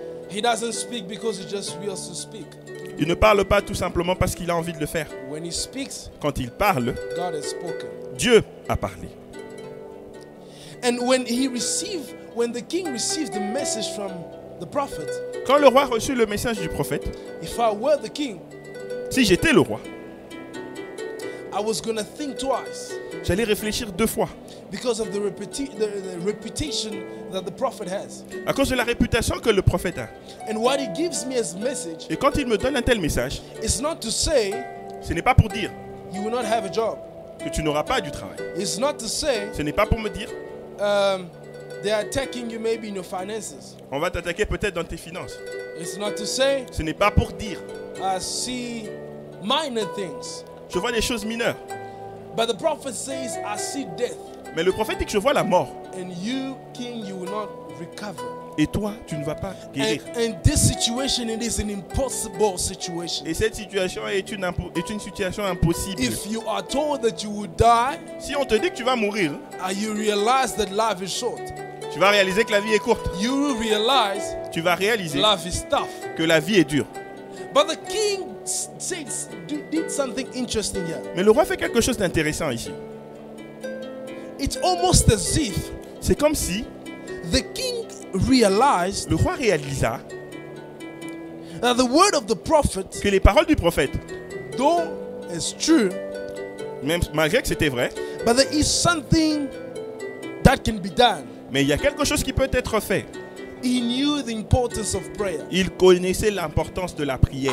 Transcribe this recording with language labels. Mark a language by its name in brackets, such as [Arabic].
[English] He doesn't speak because he just wants to speak. [French] Il ne parle pas tout simplement parce qu'il a envie de le faire. [English] When he speaks, [French] quand il parle, [English] God has spoken. [French] Dieu a parlé. [English] And when he received, when the king received the message from the prophet, [French] quand le roi reçut le message du prophète, [English] if I were the king, [French] si j'étais le roi, [English] I was gonna think twice. [French] J'allais réfléchir deux fois. [English] Because of the reputation that the prophet has. [French] À cause de la réputation que le prophète a. [English] And what he gives me as message. [French] Et quand il me donne un tel message. [English] It's not to say. [French] Ce n'est pas pour dire. [English] You will not have a job. [French] Que tu n'auras pas du travail. [English] It's not to say. [French] Ce n'est pas pour me dire. [English] They are attacking you maybe in your finances. [French] On va t'attaquer peut-être dans tes finances. [English] It's not to say. [French] Ce n'est pas pour dire. [English] I see minor things. [French] Je vois des choses mineures. [English] But the prophet says, I see death. [French] Mais le prophète dit que je vois la mort. [English] And you, king, you will not recover. [French] Et toi, tu ne vas pas guérir. [English] And this situation, it is an impossible situation. [French] Et cette situation est une situation impossible. [English] If you are told that you will die, [French] si on te dit que tu vas mourir, [English] and you realize that life is short, [French] tu vas réaliser que la vie est courte. [English] You will realize [French] tu vas réaliser [English] life is tough. [French] Que la vie est dure. [English] But the king says, did something interesting here. [French] Mais le roi fait quelque chose d'intéressant ici. [English] It's almost as if [French] c'est comme si [English] the king realized [French] le roi réalisa [English] that the word of the prophet [French] que les paroles du prophète [English] though is true [French] même malgré que c'était vrai [English] but there is something that can be done [French] mais il y a quelque chose qui peut être fait [English] He knew the importance of prayer. [French] Il connaissait l'importance de la prière.